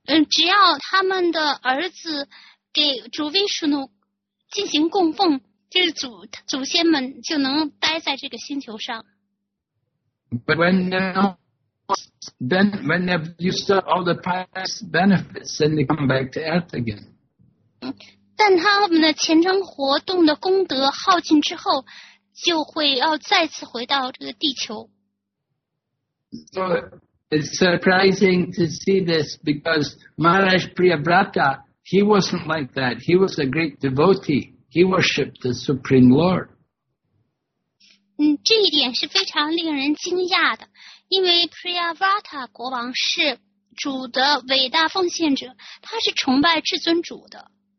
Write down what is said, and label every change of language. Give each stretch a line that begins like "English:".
Chinese: 只要他们的儿子给主 Vishnu 进行供奉，就是祖先们就能待在这个星球上。
English: But when they've used up all the past benefits, then they come back to Earth again.
Chinese: 但他们的前程活动的功德耗尽之后，就会要再次回到这个地球。
English: So it's surprising to see this because Maharaj Priyavrata, he wasn't like that. He was a great devotee. He worshipped the Supreme Lord.
Chinese: 这一点是非常令人惊讶的，因为 Priyavrata 国王是主的伟大奉献者，他是崇拜至尊主的。